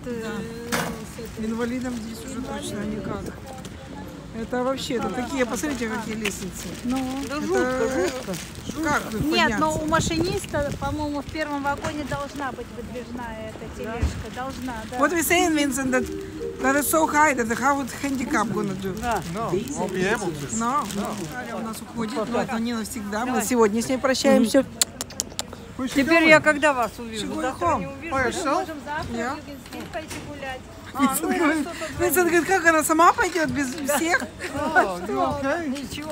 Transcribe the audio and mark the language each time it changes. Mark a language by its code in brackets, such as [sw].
[ru] да. Инвалидом здесь уже инвалидом. Точно никак. Это вообще, это такие, посмотрите, какие лестницы. Ну, да это... жутко. Как вы нет, подняться? Но у машиниста, по-моему, в первом вагоне должна быть выдвижная эта тележка. Да. Должна, да. [en] What we're saying, Vincent, that That is so high that the how would handicap gonna do? No, won't be able to. No. [ru] Аля у нас уходит, но не навсегда. Мы сегодня с ней прощаемся. Теперь я когда вас увижу? Завтра не увижу. Мы можем завтра в Югенстрит пойти гулять. Винсент говорит, как она сама пойдет без всех? Ничего.